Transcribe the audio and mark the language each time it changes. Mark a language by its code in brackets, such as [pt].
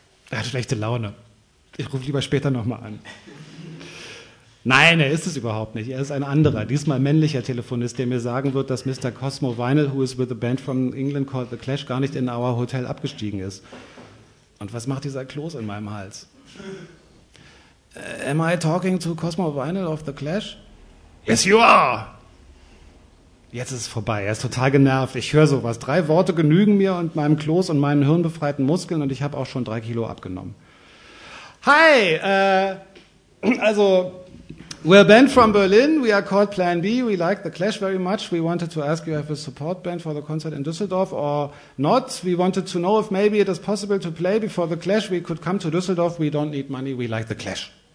[de] Er hat schlechte Laune. Ich rufe lieber später nochmal an. Nein, er ist es überhaupt nicht. Er ist ein anderer, diesmal männlicher Telefonist, der mir sagen wird, dass [en] Mr. Cosmo Vinyl, who is with a band from England called The Clash, [de] gar nicht [en] in our hotel [de] abgestiegen ist. Und was macht dieser Kloß in meinem Hals? [en] Am I talking to Cosmo Vinyl of The Clash? Yes, you are! [de] Jetzt ist es vorbei, er ist total genervt, ich höre sowas. Drei Worte genügen mir und meinem Kloß und meinen hirnbefreiten Muskeln und ich habe auch schon 3 Kilo abgenommen. [en] Hi, we're a band from Berlin, we are called Plan B, we like The Clash very much, we wanted to ask you if you have a support band for the concert in Düsseldorf or not, we wanted to know if maybe it is possible to play before The Clash, we could come to Düsseldorf, we don't need money, we like The Clash.